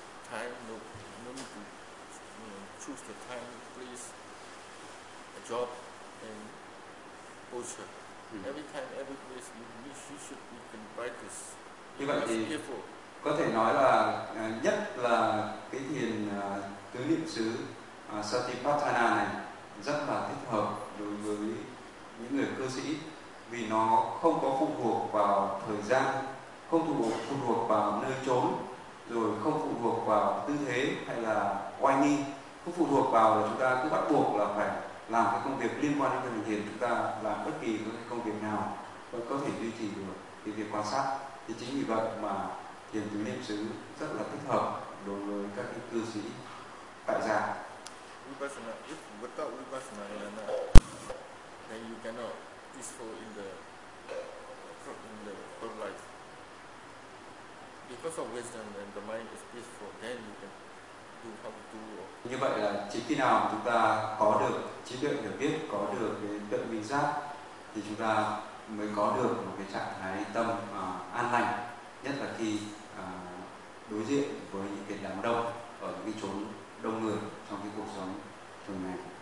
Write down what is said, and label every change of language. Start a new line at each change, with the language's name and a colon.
English: Time, no need to choose the time, place, a job, and posture. Every time, every place, you should be in practice.
Vietnamese: Như vậy thì có thể nói là nhất là cái thiền tứ niệm xứ Satipatthana này rất là thích hợp đối với những người cư sĩ, vì nó không có phụ thuộc vào thời gian, không phụ thuộc vào nơi chốn, rồi không phụ thuộc vào tư thế hay là oai nghi, không phụ thuộc vào là chúng ta cứ bắt buộc là phải làm cái công việc liên quan đến thực hiện, chúng ta làm bất kỳ cái công việc nào vẫn có thể duy trì được cái việc quan sát. Thì chính vì vậy mà thiền tứ niệm xứ rất là thích hợp đối với các cái cư sĩ tại gia.
English: Vipassana, if without vipassana, then you cannot peaceful in the world life. Because of wisdom and the mind is peaceful, then you can do how to do.
Vietnamese: Như vậy là chỉ khi nào chúng ta có được trí tuệ hiểu biết, có được cái tự minh giác, thì chúng ta mới có được một cái trạng thái tâm an lành, nhất là khi đối diện với những cái đám đông ở những cái chốn đông người trong cái cuộc sống thường ngày.